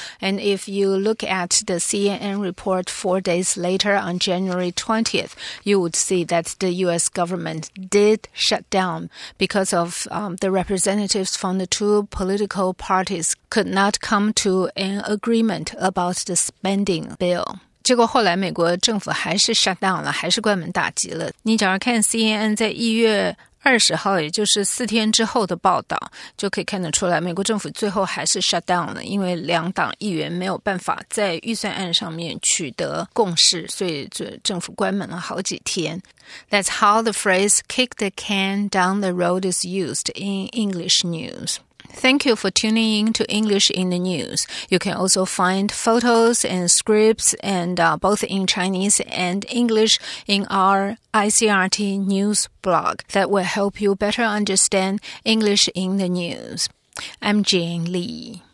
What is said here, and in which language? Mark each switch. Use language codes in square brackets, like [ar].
[en] And if you look at the CNN report 4 days later on January 20th, you would see that the U.S. government did shut down because of the representatives from the two political parties could not come to an agreement about the spending bill. [zh] 结果后来美国政府还是 shut down 了，还是关门大吉了。你假如看 CNN 在1月20号，也就是四天之后的报道，就可以看得出来美国政府最后还是 shut down 了，因为两党议员没有办法在预算案上面取得共识，所以政府关门了好几天。 [en] That's how the phrase kick the can down the road is used in English news. Thank you for tuning in to English in the News. You can also find photos and scripts and both in Chinese and English in our ICRT News blog that will help you better understand English in the News. I'm Jane Lee.